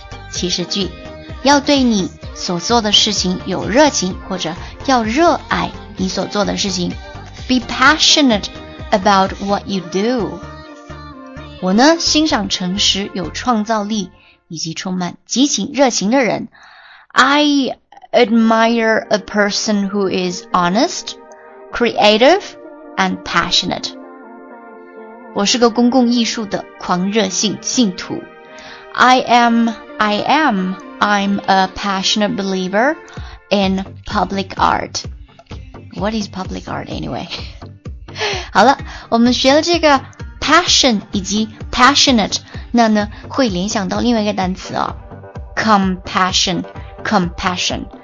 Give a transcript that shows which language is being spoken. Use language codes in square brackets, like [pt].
[zh] 祈使句，要对你所做的事情有热情，或者要热爱你所做的事情。 [en] Be passionate about what you do. [zh] 我呢，欣赏诚实、有创造力以及充满激情、热情的人。 [en] I admire a person who is honest, creative, and passionate. [zh] 我是个公共艺术的狂热性信徒。 [en] I'm a passionate believer in public art. What is public art anyway? [zh] 好了，我们学了这个 passion 以及 passionate， 那呢会联想到另外一个单词哦 compassion.